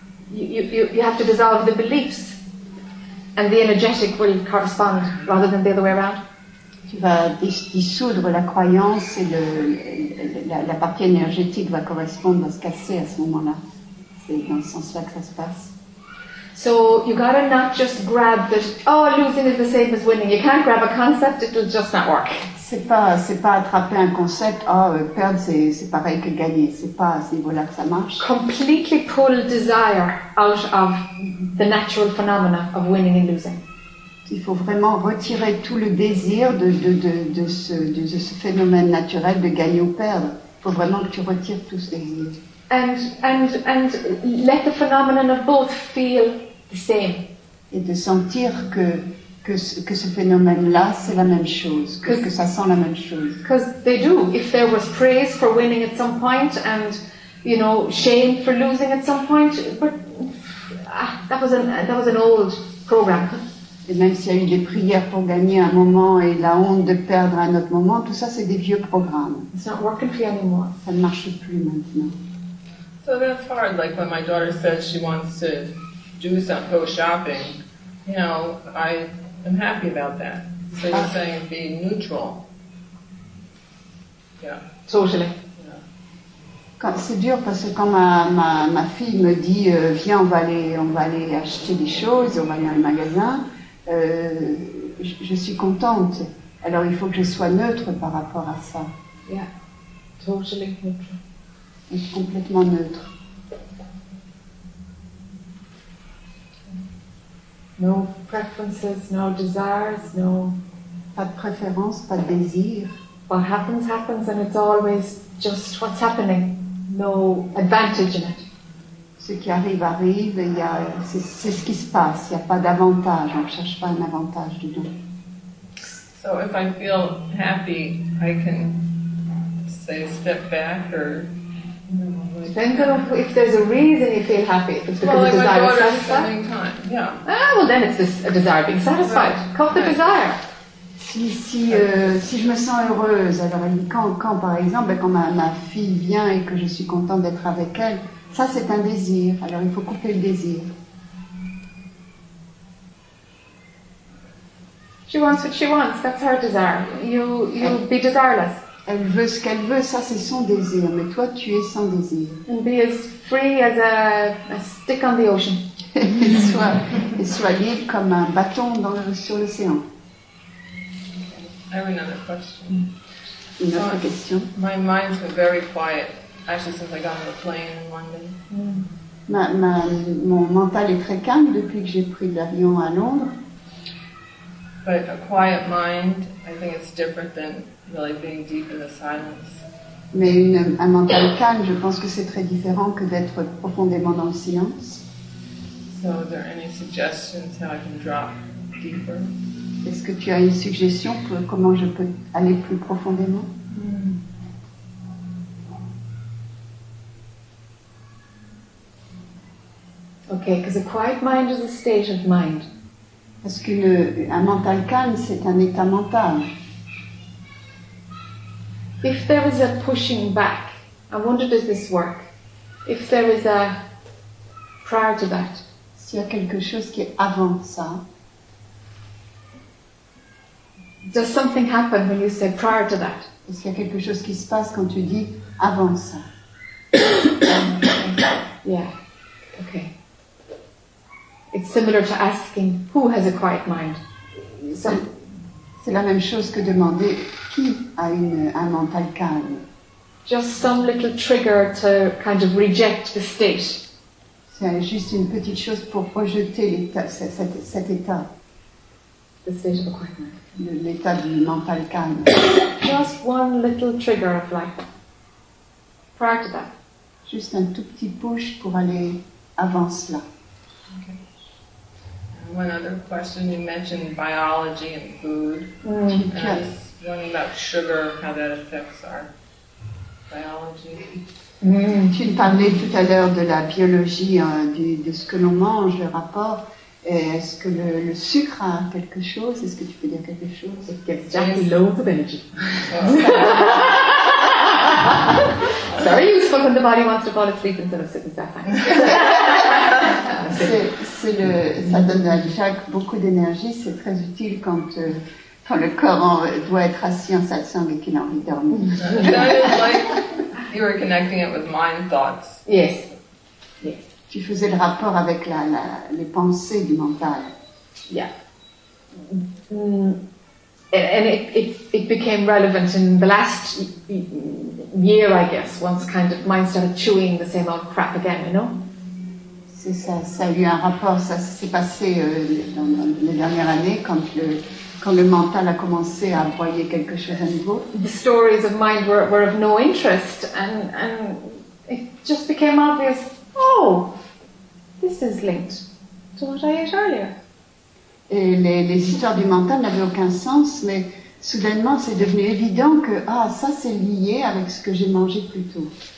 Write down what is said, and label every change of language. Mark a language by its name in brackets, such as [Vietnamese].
[English] You have to dissolve the beliefs, and the energetic will correspond, rather than the other way around. [French] Tu vas dissoudre la croyance et la partie énergétique va correspondre, va se casser à ce moment-là. C'est dans ce sens-là que ça se passe. [English] So you gotta not just grab the losing is the same as winning. You can't grab a concept; it'll just not work. [French] C'est pas attraper un concept. Perdre c'est pareil que gagner. C'est pas à ce niveau-là que ça marche. [English] Completely pull desire out of the natural phenomena of winning and losing. [French] Il faut vraiment retirer tout le désir de ce phénomène naturel de gagner ou perdre. Il faut vraiment que tu retires tout ce désir. [English] And let the phenomenon of both feel the same. [French] Et de sentir que ce phénomène-là, c'est la même chose, que ça sent la même chose. [English] Because they do. If there was praise for winning at some point, and you know, shame for losing at some point, but that was an old program. [French] Et même s'il y a eu des prières pour gagner un moment et la honte de perdre un autre moment, tout ça, c'est des vieux programmes. [English] It's not working for you anymore. [French] Ça ne marche plus maintenant. [English] So that's hard. Like when my daughter says she wants to do some go shopping, you know, I am happy about that. So you're saying be neutral. Yeah. Socially. [French] Quand, c'est dur parce que quand ma fille me dit viens on va aller acheter des choses, on va aller dans le magasin, je suis contente. Alors il faut que je sois neutre par rapport à ça. [English] Yeah, totally neutral. [French] Et complètement neutre. [English] No preferences, no desires, no. [French] Pas de préférence, pas de désir. [English] What happens, happens, and it's always just what's happening. No advantage in it. [French] Ce qui arrive, arrive, et c'est ce qui se passe. Il n'y a pas d'avantage, on ne cherche pas un avantage du tout. [English] So if I feel happy, I can say step back or... Depends on if there's a reason you feel happy. If it's because well, of desire my daughter is spending time, yeah. Ah, well then it's this, a desire being satisfied. Right. Cut the desire. [French] Si je me sens heureuse, alors quand par exemple, quand ma fille vient et que je suis contente d'être avec elle, ça c'est un désir, alors il faut couper le désir. [English] She wants what she wants, that's her desire. You be desireless. [French] Elle veut ce qu'elle veut, ça c'est son désir, mais toi tu es sans désir. [English] And be as free as a stick on the ocean. [French] et sois libre comme un bâton sur l'océan. [English] I have another question. [French] Une autre question. [English] My mind's been very quiet, actually, since I got on the plane in London. Mm. [French] Mon mental est très calme depuis que j'ai pris l'avion à Londres. [English] But a quiet mind, I think it's different than really being deep in the silence. [French] Mais un mental calme, je pense que c'est très différent que d'être profondément dans le silence. [English] So, are there any suggestions how I can drop deeper? [French] Est-ce que tu as une suggestion pour comment je peux aller plus profondément? [English] Ok, because a quiet mind is a state of mind. [French] Parce qu'un mental calme, c'est un état mental. [English] If there is a pushing back, I wonder does this work? If there is a prior to that. [French] S'il y a quelque chose qui est avant ça. [English] Does something happen when you say prior to that? [French] Est-ce qu'il y a quelque chose qui se passe quand tu dis avant ça? [English] Yeah. Okay. It's similar to asking who has a quiet mind. [French] C'est la même chose que demander qui a un mental calme. [English] Just some little trigger to kind of reject the state. [French] C'est juste une petite chose pour rejeter cet état. [English] The state of a quiet mind. [French] L'état du mental calme. [English] Just one little trigger of life. Prior to that. [French] Juste un tout petit push pour aller avant cela. [English] Okay. One other question, you mentioned biology and food. Mm. And yes. I was wondering about sugar, how that affects our biology. Mm. [French] Tu parlais tout à l'heure de la biologie, de ce que l'on mange, le rapport. Et est-ce que le sucre a quelque chose? Est-ce que tu peux dire quelque chose? [English] It gets Jackie yes. Loads of energy. Oh. Very useful when the body wants to fall asleep instead of sitting that time. [French] Ça donne à Jacques beaucoup d'énergie. C'est très utile quand le corps doit être assis en satsang et qu'il a envie de dormir. [English] It's like you were connecting it with mind thoughts. Yes. [French] Tu faisais le rapport avec les pensées du mental. [English] Yeah. Mm. And it became relevant in the last year, I guess, once kind of mind started chewing the same old crap again, you know? [French] C'est ça, ça a eu un rapport, ça s'est passé dans les dernières années, quand le mental a commencé à broyer quelque chose à nouveau. [English] The stories of mind were of no interest, and it just became obvious, oh! This is linked to what I ate earlier. [French] Et les histoires du mental n'avaient aucun sens, mais soudainement c'est devenu évident que ah, ça c'est lié avec ce que j'ai mangé plus tôt.